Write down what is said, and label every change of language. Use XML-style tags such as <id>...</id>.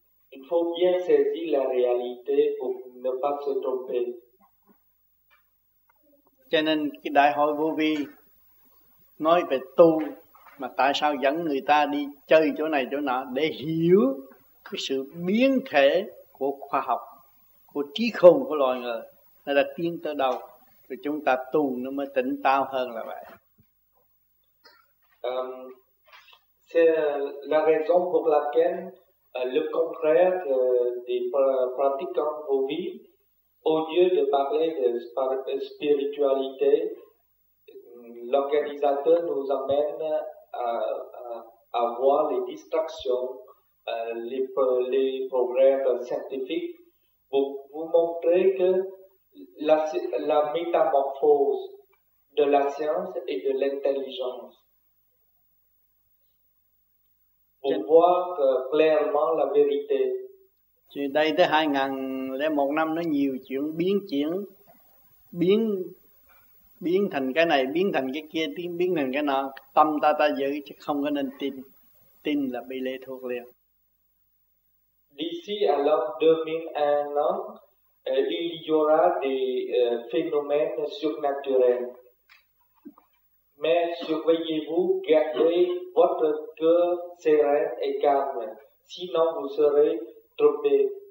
<fr>Il faut bien saisir la réalité pour ne pas se tromper.</fr> <vi>Cho nên cái đại hội vô vi nói về tu. Mà tại sao dẫn người ta đi chơi chỗ này chỗ nọ để hiểu cái sự biến thể của khoa học, của trí khôn của loài người, nó đã tiến tới đâu, rồi chúng ta tu nó mới tỉnh táo hơn là vậy.</vi> <fr>C'est la raison pour laquelle le contraire des pratiquants vos vies, au lieu de parler de spiritualité, l'organisateur nous amène à voir les distractions, les progrès scientifiques pour vous montrer que la métamorphose de la science et de l'intelligence pour voir clairement la vérité.</fr> <vi>Chuyện đây tới 2001 năm nó nhiều chuyện biến chuyển biến thành cái này, biến thành cái kia, biến thành cái nọ, tâm ta giữ chứ không có nên tin, tin là bị lệ thuộc liền.</vi> <fr>D'ici à l'an 2001, il y aura des phénomènes surnaturels. Mais surveillez-vous, gardez votre cœur serein et calme, sinon vous serez trompé.</fr>